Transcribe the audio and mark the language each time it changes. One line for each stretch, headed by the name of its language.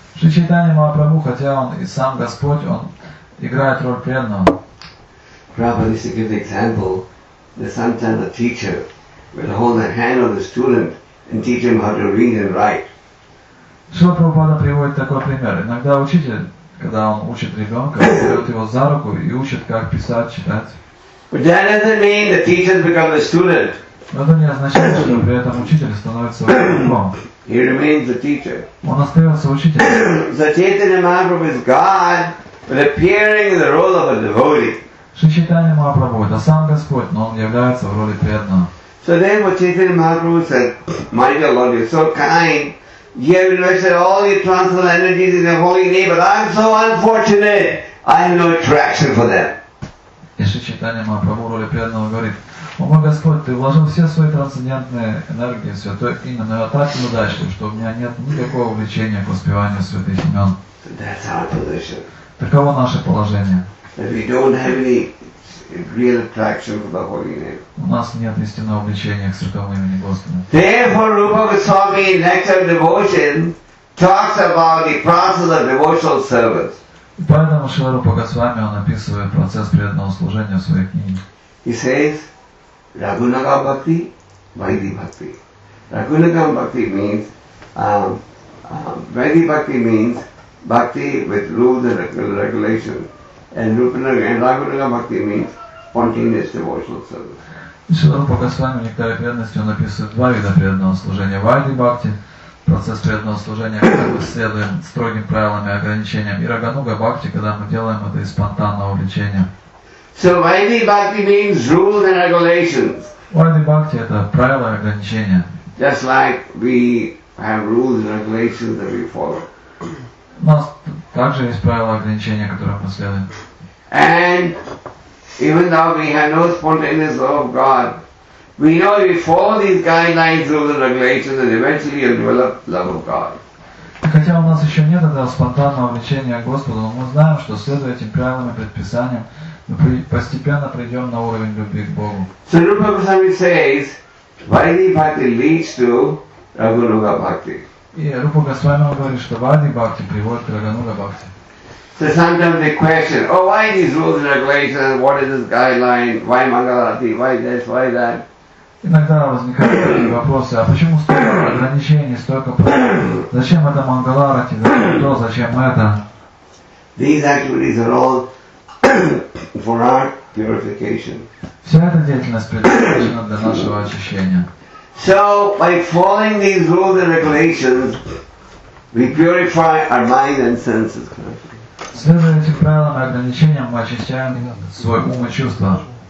Russian: Шри Чайтанья Махапрабху, хотя Он и Сам Господь, Он играет роль преданного.
English: Prabhupada used to give the example that sometimes a teacher will hold the hand of the student and teach him how to read and write.
Russian: Шрила Прабхупада приводит такой пример. Иногда учитель, когда он учит ребенка, он берет его за руку и учит, как писать, читать. Но это не означает, что при этом учитель становится учеником.
English: He remains the teacher.
Russian: Он остается учителем.
English: So Chaitanya Mahaprabhu is God, but appearing in the role of a devotee.
Russian: Шри Чайтанья Махапрабху это сам Господь, но он является в роли преданного.
English: So then what Chaitanya Mahaprabhu said, my dear Lord, you're so kind. You have invested all your transcendental energies in the holy name, but I'm so unfortunate, I have no attraction for them.
Russian: И Шри Чайтанья Махапрабху в роли преданного говорит, «О мой Господь, Ты вложил все свои трансцендентные энергии в Святое Имя, но я так неудачлив, что у меня нет никакого увлечения к воспеванию святых имен».
English: That's our position.
Russian: Таково наше положение.
English: That we don't have any real attraction for the holy name.
Russian: У нас нет истинного увлечения к Святому Имени Господа.
English: Therefore, Rupa Goswami in Nectar of Devotion talks about the process of devotional service.
Russian: Поэтому Шрила Рупа Госвами он описывает процесс преданного служения в своей книге.
English: He says, Raghunagam Bhakti, Vaidhi Bhakti. Raghunagam Bhakti means, Vaidhi Bhakti means Bhakti with rules and regulations. And Raghunagam Bhakti means spontaneous devotional service.
Russian: Шрила Рупа Госвами в Нектаре преданности он описывает два вида преданного служения.
English: Vaidhi Bhakti.
Russian: Процесс преданного служения, когда мы следуем строгим правилам и ограничениям. И Рагануга Бхакти, когда мы делаем это из спонтанного увлечения.
English: So Vaidhi Bhakti means rules and regulations.
Russian: Vaidhi Bhakti это правила и ограничения.
English: Just like we I have rules and regulations that we follow.
Russian: У нас также есть правила и ограничения, которые мы следуем.
English: And even though we have no spontaneous love of God, we know if we follow these guidelines, rules and regulations, then eventually we'll develop love of God.
Russian: Хотя у нас еще нет этого спонтанного влечения к Господу, но мы знаем, что следуя этим правилам и предписаниям, мы постепенно придем на уровень любви к Богу.
English: So Rupa Goswami says, Vaidhi Bhakti leads to Raghunuga Bhakti.
Russian: И Рупа Госвами говорит, что Вайди Бхакти приводит к Рагануга Бхакти.
English: So sometimes they question, oh, why these rules and regulations, what is this guideline, why Mangalati, why this, why that?
Russian: Иногда возникают вопросы, а почему столько ограничений, столько проблем? Зачем это Мангаларати, зачем то, зачем это?
English: These activities are all for our purification.
Russian: Вся эта деятельность предназначена для нашего очищения.
English: So, by following these rules and regulations, we purify our mind and senses.
Russian: Следуя этим правилам и ограничениям, мы очищаем свой ум и чувства.